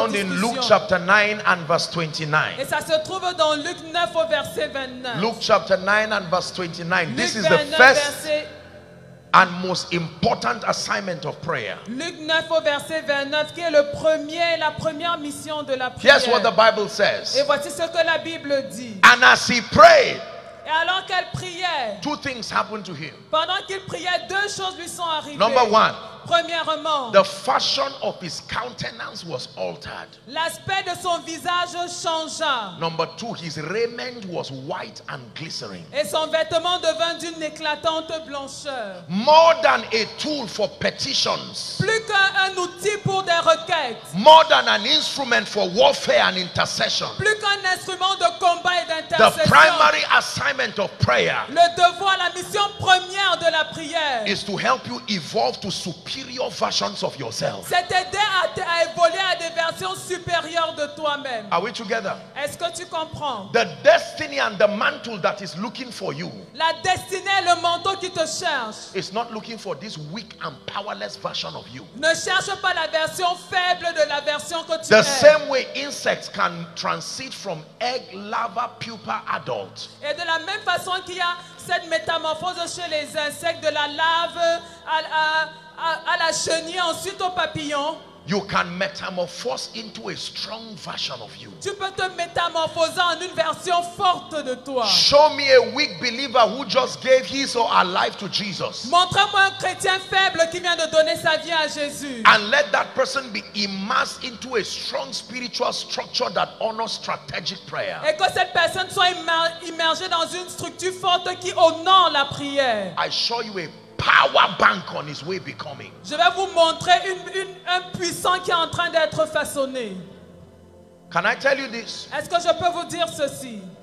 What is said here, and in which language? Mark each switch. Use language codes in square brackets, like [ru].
[en] And it's found in Luke chapter 9 and verse 29. [fr] Et ça se trouve dans Luc 9 au verset 29. [en] Luke chapter 9 and verse 29. This is the first and most important assignment of prayer. [fr] Luc 9 au verset 29 qui est le premier, la première mission de la prière. [en] Here's what the Bible says. [fr] Et voici ce que la Bible dit. [en] And as he prayed, [fr] et alors qu'elle priait, [en] two things happened to him. [fr] Pendant qu'il priait, deux choses lui sont arrivées. [en] Number one, [fr] premièrement, [en] the fashion of his countenance was altered. [fr] L'aspect de son visage changea. [en] Number two, his raiment was white and glistening. [fr] Et son vêtement devint d'une éclatante blancheur. [en] More than a tool for petitions. [fr] Plus qu'un outil pour des requêtes. [en] More than an instrument for warfare and intercession. [fr] Plus qu'un instrument de combat et d'intercession. [en] The primary assignment of prayer. [fr] Le devoir, la mission première de la prière. [en] Is to help you evolve to superior versions of yourself. [fr] C'est aider à évoluer à des versions supérieures de toi-même. [en] Are we together? [fr] Est-ce que tu comprends? [en] The destiny and the mantle that is looking for you. [fr] La destinée, le manteau qui te cherche. [en] Is not looking for this weak and powerless version of you. [fr] Ne cherche pas la version faible de la version que tu [en] the [fr] es. [en] The same way insects can transit from egg, larva, pupa, adult. [fr] Et de la même façon qu'il y a cette métamorphose chez les insectes de la larve à la chenille, ensuite au papillon. [en] You can metamorphose into a strong version of you. [fr] Tu peux te métamorphoser en une version forte de toi. [en] Show me a weak believer who just gave his or her life to Jesus. [fr] Montre-moi un chrétien faible qui vient de donner sa vie à Jésus. [en] And let that person be immersed into a strong spiritual structure that honors strategic prayer. [fr] Et que cette personne soit immergée dans une structure forte qui honore la prière. [en] I show you a power bank on his way becoming. [fr] Je vais vous montrer un puissant qui est en train d'être façonné. [en] Can I tell you this? [fr] Est-ce que je peux vous dire ceci?